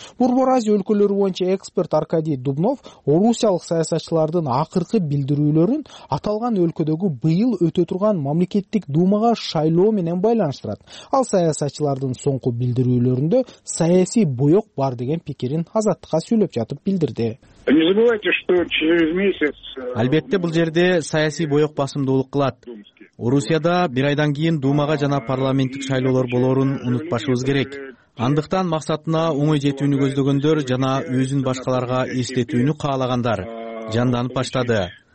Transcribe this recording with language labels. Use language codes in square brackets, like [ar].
[ky] Борбор Азия өлкөлөрү боюнча эксперт Аркадий Дубнов орусиялык саясатчылардын акыркы билдирүүлөрүн аталган өлкөдөгү быйыл өтө турган мамлекеттик думага шайлоо менен байланыштырат. Ал саясатчылардын соңку билдирүүлөрүндө саясий боек бар деген пикир. пикирин азаттыкка сүйлөп жатып билдирди. [ru] Не забывайте, что через месяц. [ky] Албетте бул жерде саясий боек басымдуулук кылат. Орусияда бир айдан кийин Думага жана парламенттик шайлоолор болорун унутпашыбыз керек. Андыктан максатына оңой жетүүнү көздөгөндөр жана өзүн башкаларга эстетүүнү каалагандар жанданып баштады.